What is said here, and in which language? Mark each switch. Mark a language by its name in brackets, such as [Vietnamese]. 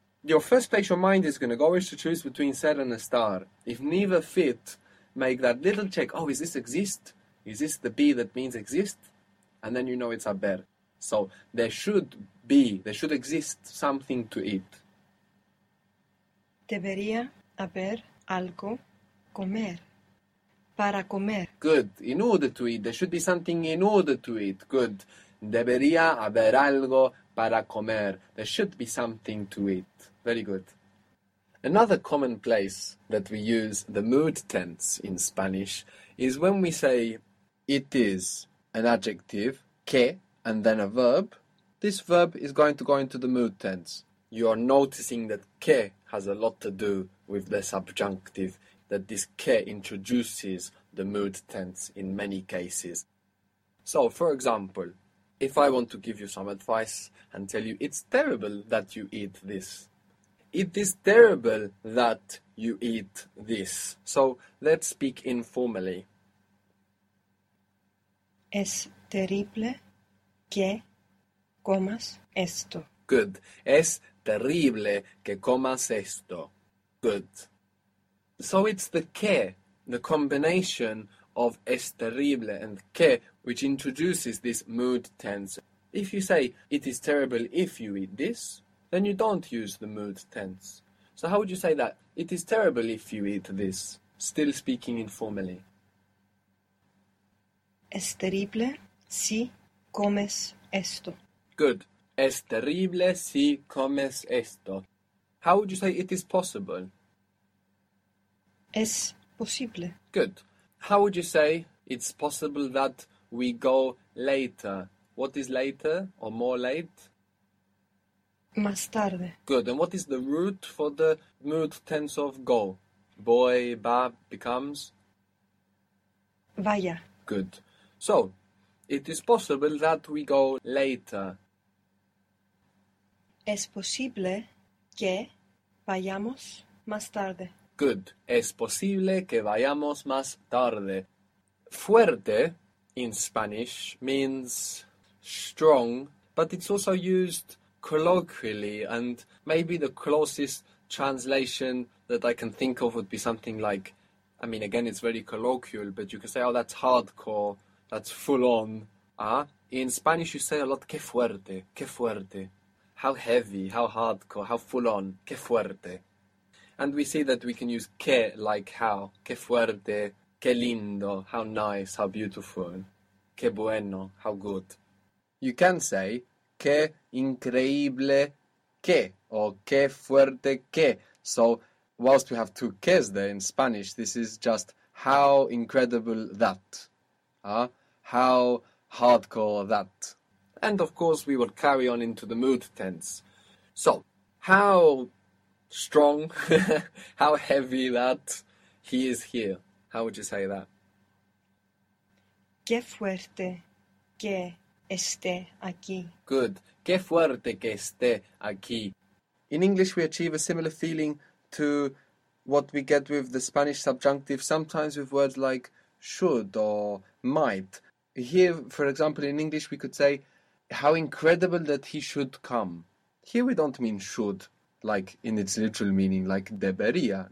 [English] Your first place your mind is going to go is to choose between ser and estar. If neither fit, make that little check. Oh, is this exist? Is this the be that means exist? And then you know it's haber. So there should be, there should exist something to eat. [Spanish] Debería haber algo comer para comer. [English] Good. In order to eat, there should be something in order to eat. Good. [Spanish] Debería haber algo para comer. [English] There should be something to eat. Very good. Another common place that we use the mood tense in Spanish is when we say it is an adjective, que, and then a verb. This verb is going to go into the mood tense. You are noticing that que has a lot to do with the subjunctive, that this que introduces the mood tense in many cases. So, for example, if I want to give you some advice and tell you it's terrible that you eat this. It is terrible that you eat this. So let's speak informally. [Spanish] Es terrible que comas esto. [English] Good. [Spanish] Es terrible que comas esto. [English] Good. So it's the que, the combination of es terrible and que, which introduces this mood tense. If you say, it is terrible if you eat this, then you don't use the mood tense. So how would you say that? It is terrible if you eat this. Still speaking informally. [Spanish] Es terrible si comes esto. [English] Good. [Spanish] Es terrible si comes esto. [English] How would you say it is possible? [Spanish] Es posible. [English] Good. How would you say it's possible that we go later? What is later or more late? [Spanish] Más tarde. [English] Good. And what is the root for the mood tense of go? [Spanish] Voy, va, [English] becomes? [Spanish] Vaya. [English] Good. So, it is possible that we go later. [Spanish] Es posible que vayamos más tarde. [English] Good. [Spanish] Es posible que vayamos más tarde. [English] Fuerte in Spanish means strong, but it's also used colloquially, and maybe the closest translation that I can think of would be something like, I mean, again, it's very colloquial, but you can say, oh, that's hardcore, that's full on. In Spanish, you say a lot, [Spanish] qué fuerte, [English] how heavy, how hardcore, how full on, qué fuerte. And we see that we can use que like how, qué fuerte, [Spanish] qué lindo, [English] how nice, how beautiful, [Spanish] qué bueno, [English] how good. You can say [Spanish] que increíble que [English] or [Spanish] que fuerte que. [English] So, whilst we have two que's there in Spanish, this is just how incredible that. How hardcore that. And of course, we will carry on into the mood tense. So, how strong, how heavy that he is here. How would you say that? [Spanish] Qué fuerte que esté aquí. [English] Good. [Spanish] Qué fuerte que esté aquí. [English] In English, we achieve a similar feeling to what we get with the Spanish subjunctive, sometimes with words like should or might. Here, for example, in English, we could say, how incredible that he should come. Here, we don't mean should, like in its literal meaning, like debería.